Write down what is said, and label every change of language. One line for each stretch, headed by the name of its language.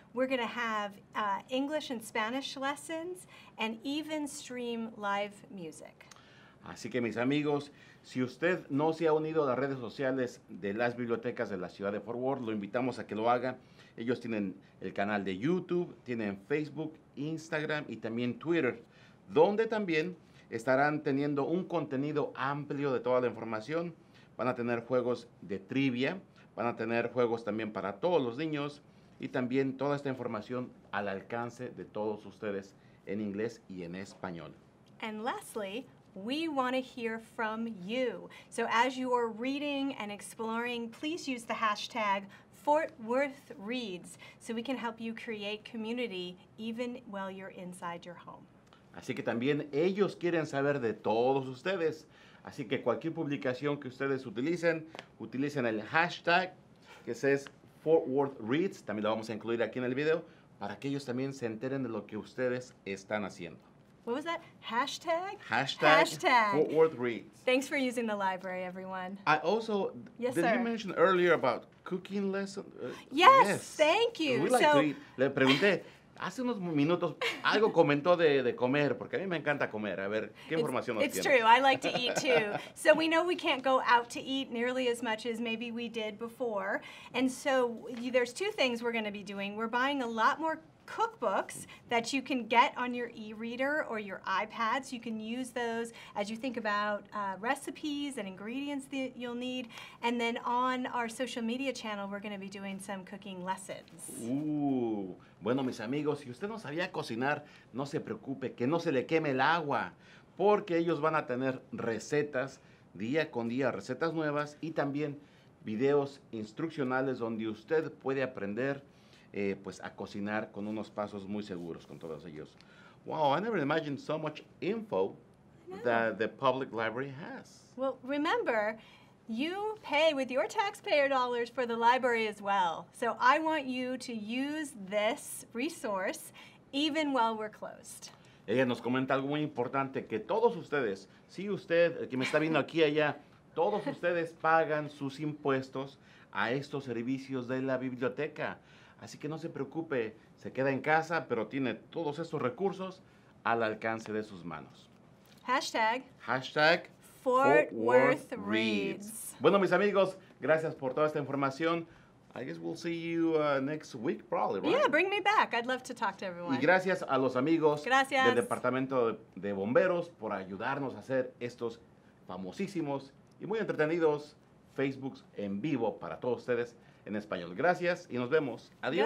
English: We're going to have English and Spanish lessons and even stream live music.
Spanish: Así que, mis amigos, si usted no se ha unido a las redes sociales de las bibliotecas de la ciudad de Fort Worth, lo invitamos a que lo haga. Ellos tienen el canal de YouTube, tienen Facebook, Instagram y también Twitter, donde también estarán teniendo un contenido amplio de toda la información. Van a tener juegos de trivia, van a tener juegos también para todos los niños y también toda esta información al alcance de todos ustedes en inglés y en español.
English: And lastly, we want to hear from you. So as you are reading and exploring, please use the hashtag Fort Worth Reads so we can help you create community even while you're inside your home.
Spanish: Así que también ellos quieren saber de todos ustedes. Así que cualquier publicación que ustedes utilicen, utilicen el hashtag que es Fort Worth Reads. También lo vamos a incluir aquí en el video para que ellos también se enteren de lo que ustedes están haciendo.
English: What was that? Hashtag? Hashtag. Fort Worth Reads. Thanks for using the library, everyone. I also, yes, did sir. You mention earlier about cooking lesson? Yes, thank you. We like to eat.
Spanish: Le pregunté, hace unos minutos, algo comentó de comer, porque a mí me encanta comer. A ver, ¿qué información nos tiene?
English: It's true. I like to eat, too. So we know we can't go out to eat nearly as much as maybe we did before. And so there's two things we're going to be doing. We're buying a lot more cookbooks that you can get on your e-reader or your iPads. You can use those as you think about recipes and ingredients that you'll need. And then on our social media channel, we're going to be doing some cooking lessons.
Spanish: Bueno, mis amigos, si usted no sabía cocinar, no se preocupe, que no se le queme el agua, porque ellos van a tener recetas día con día, recetas nuevas y también videos instruccionales donde usted puede aprender pues a cocinar con unos pasos muy seguros con todos ellos.
English: Wow, I never imagined so much info that the public library has. Well, remember, you pay with your taxpayer dollars for the library as well. So I want you to use this resource even while we're closed.
Spanish: Ella nos comenta algo muy importante, que todos ustedes, si usted, el que me está viendo aquí allá, todos ustedes pagan sus impuestos a estos servicios de la biblioteca. Así que no se preocupe, se queda en casa, pero tiene todos estos recursos al alcance de sus manos.
English: Hashtag. Hashtag. Fort Worth Reads.
Spanish: Bueno, mis amigos, gracias por toda esta información.
English: I guess we'll see you next week, probably, right? Yeah, bring me back. I'd love to talk to everyone.
Spanish: Y gracias a los amigos gracias. Del Departamento de Bomberos por ayudarnos a hacer estos famosísimos y muy entretenidos Facebooks en vivo para todos ustedes en español. Gracias y nos vemos. Adiós.